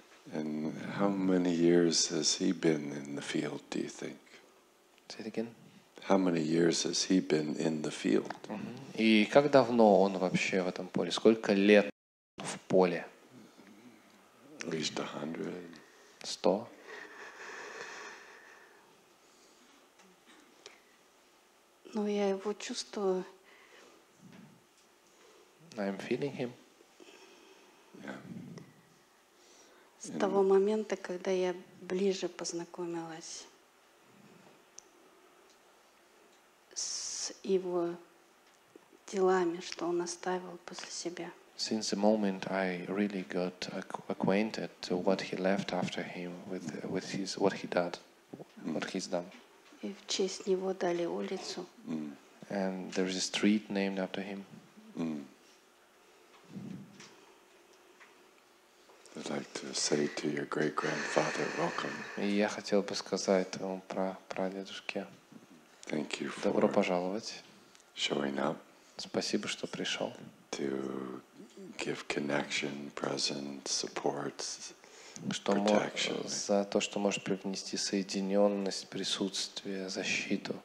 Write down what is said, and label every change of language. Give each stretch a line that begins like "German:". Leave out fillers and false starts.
English: And how many years has he been in the field, do you think? Say it again. How many years has he been in the field? Mm-hmm.
Russian: И как давно он вообще в этом поле? Сколько лет в поле?
English: At least 100. 100?
Russian: Ну, я его чувствую.
English: I'm feeling him. Yeah.
Russian: С того момента, когда я ближе познакомилась с его делами, что он оставил после себя.
English: Since the moment I really got acquainted to what he left after him with his what he did, what he's done.
Russian: И в честь него дали улицу.
English: And there is a street named after him. Mm. I'd like to say to your great-grandfather, welcome.
Russian: И я хотел бы сказать твоему прадедушке.
English: Thank you for
Russian: Добро пожаловать.
English: Showing up.
Russian: Спасибо, что пришел.
English: To give connection, presence, support.
Russian: Что за то, что можешь привнести соединенность, присутствие, защиту